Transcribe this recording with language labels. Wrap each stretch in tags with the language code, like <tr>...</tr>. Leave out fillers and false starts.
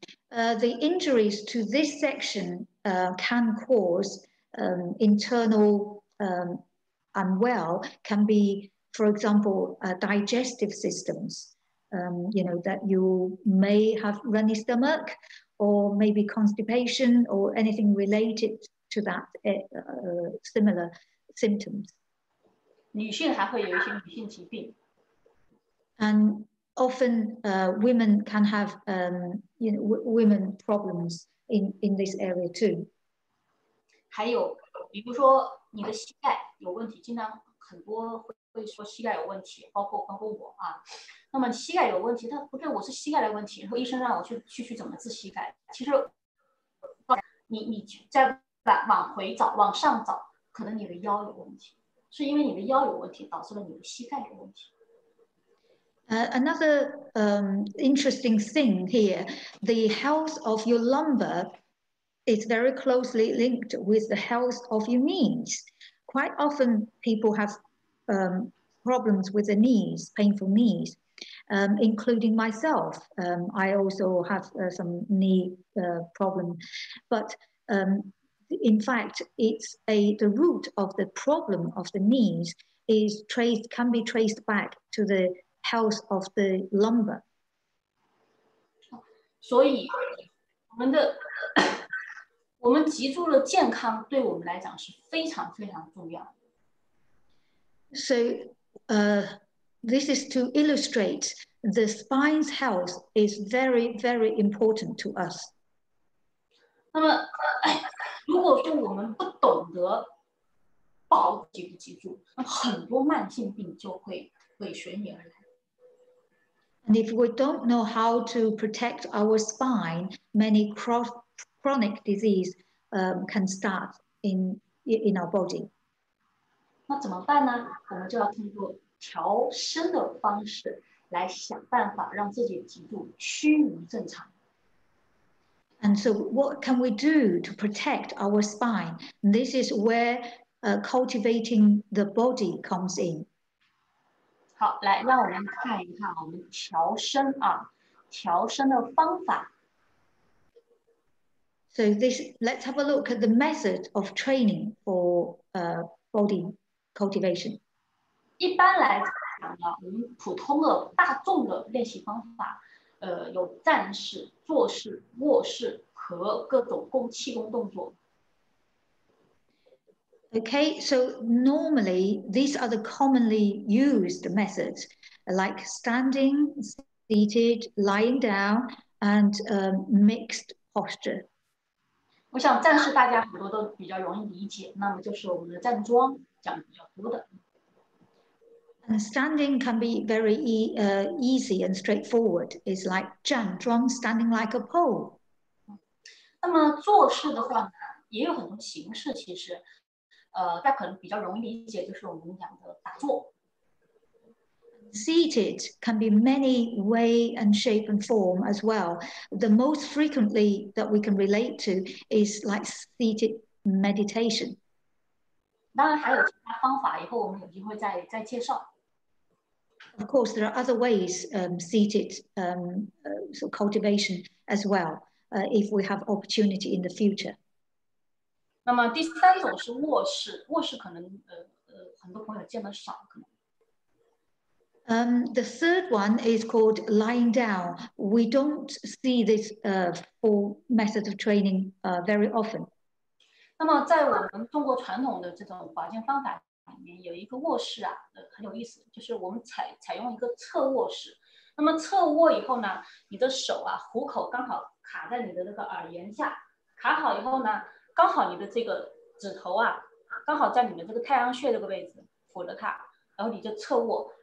<en>The injuries to this section can cause internal unwell, can be, for example, digestive systems, you know, that you may have runny stomach or maybe constipation or anything related to that similar symptoms.</en> <zh>女性还会有一些女性疾病。</zh> <en>And often women can have you know, women problems in this area too.</en> <zh>还有比如说你的膝盖有问题，经常很多会说膝盖有问题，包括我啊。那么膝盖有问题，他不对，我是膝盖的问题，然后医生让我去怎么治膝盖。其实你再往回找，往上找，可能你的腰有问题，是因为你的腰有问题导致了你的膝盖有问题。</zh> <en>Another interesting thing here, the health of your lumbar is very closely linked with the health of your knees. Quite often people have problems with the knees, painful knees, including myself. I also have some knee problem. But in fact, it's the root of the problem of the knees is traced, can be traced back to the health of the lumbar.</en> <zh>所以我们脊柱的健康对我们来讲是非常非常重要。</zh> <en>So, this is to illustrate the spine's health is very, very important to us.</en> <zh>那么，如果说我们不懂得保这个脊柱，那很多慢性病就会尾随你而来。</zh> <en>And if we don't know how to protect our spine, many chronic disease can start in our body.</en> <zh>那怎么办呢？我们就要通过调身的方式来想办法让自己的脊柱趋于正常。</zh> <en>And so what can we do to protect our spine? This is where cultivating the body comes in.</en> <zh>好，来，让我们看一看我们调身啊，调身的方法。</zh> <en>So this, let's have a look at the method of training for body cultivation.</en> <zh>一般来讲呢，我们普通的大众的练习方法，有站式、坐式、卧式和各种共气功动作。</zh> <en>Okay, so normally these are the commonly used methods, like standing, seated, lying down, and mixed posture.</en> <zh>我想站式大家很多都比较容易理解，那么就是我们的站桩讲比较多的。</zh> <en>And standing can be very easy and straightforward. It's like 站桩, standing like a pole.</en> <zh>那么坐式的话呢，也有很多形式其实。但可能比较容易理解就是我们讲的打坐。</zh> <en>seated can be many way and shape and form as well. The most frequently that we can relate to is like seated meditation.</en> <zh>当然还有其他方法，以后我们有机会再介绍。</zh> <en>Of course, there are other ways seated sort of cultivation as well if we have opportunity in the future.</en> <zh>那么第三种是卧室，卧室可能很多朋友见得少，可能。</zh> <en>The third one is called lying down. We don't see this full method of training very often.</en> <zh>那么在我们中国传统的这种保健方法里面，有一个卧室啊，很有意思，就是我们采用一个侧卧室。那么侧卧以后呢，你的手啊，虎口刚好卡在你的那个耳沿下，卡好以后呢，刚好你的这个指头啊，刚好在你的这个太阳穴这个位置扶着它，然后你就侧卧。</zh>